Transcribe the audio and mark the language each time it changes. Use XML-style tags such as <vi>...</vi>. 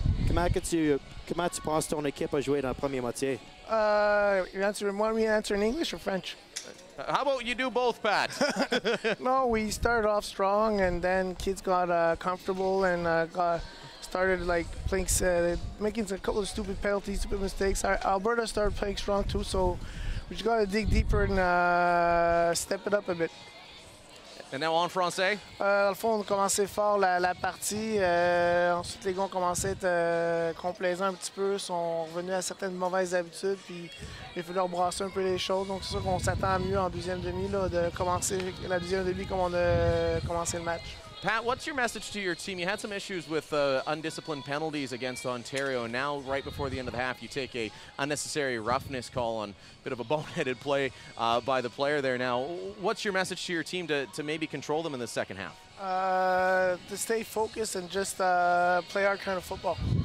<fr>Comment tu penses ton équipe a joué dans la première moitié?</fr> <en>You answer in one, we answer in English or French? How about you do both, Pat? No, we started off strong, and then kids got comfortable and started like playing, making a couple of stupid penalties, stupid mistakes. Alberta started playing strong too, so we just got to dig deeper and step it up a bit. And now</en> <fr>en français? Au fond, on commençait fort la partie. Ensuite, les gars ont commencé à être complaisants un petit peu, sont revenus à certaines mauvaises habitudes, puis il a fallu brasser un peu les choses. Donc, c'est sûr qu'on s'attend mieux en deuxième demi, là, de commencer la deuxième demi comme on a commencé le match.</fr> <en>Pat, what's your message to your team? You had some issues with undisciplined penalties against Ontario. Now, right before the end of the half, you take a unnecessary roughness call on a bit of a boneheaded play by the player there. Now, what's your message to your team to maybe control them in the second half? To stay focused and just play our kind of football.</en>